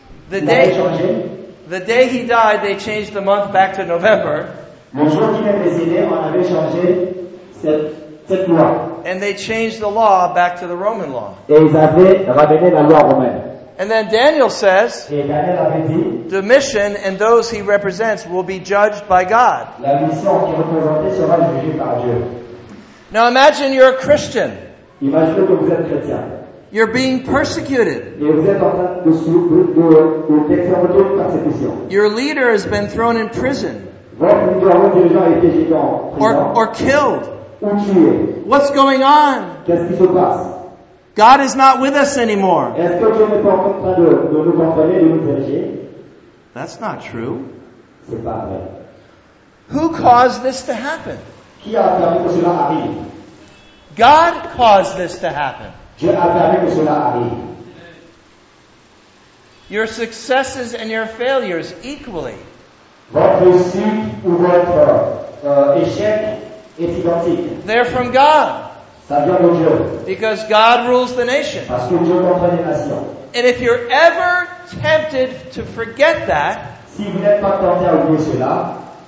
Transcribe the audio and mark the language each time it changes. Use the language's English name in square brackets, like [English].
[English] The day he died, they changed the month back to November. [French] Le jour qui m'est décédé, on avait changé cette loi. [English] And they changed the law back to the Roman law. [French] Et ils avaient ramené la loi romaine. [English] And then Daniel says, [French] Daniel avait dit, [English] Domitian and those he represents will be judged by God. [French] La mission qui représentait sera jugée par Dieu. [English] Now imagine you're a Christian. [French] Imagine que vous êtes chrétien. [English] You're being persecuted. [French] Et vous êtes en train de faire votre persécution. [English] Your leader has been thrown in prison. [French] Votre leader a été jeté en prison. [English] Or killed. [French] Ou tué. [English] What's going on? [French] Qu'est-ce qui se passe? [English] God is not with us anymore. [French] Est-ce que Dieu n'est pas en train de nous entraîner, de nous diriger? [English] That's not true. [French] C'est pas vrai. [English] Who caused this to happen? [French] Qui a permis que cela arrive? [English] God caused this to happen. [French] Dieu a permis que cela arrive. [English] Your successes and your failures equally. [French] Votre succès ou votre échec est identique. [English] They're from God. [French] Ça vient de Dieu. [English] Because God rules the nation. [French] Parce que Dieu contrôle les nations. [English] And if you're ever tempted to forget that, [French] si vous n'êtes pas tenté à oublier cela,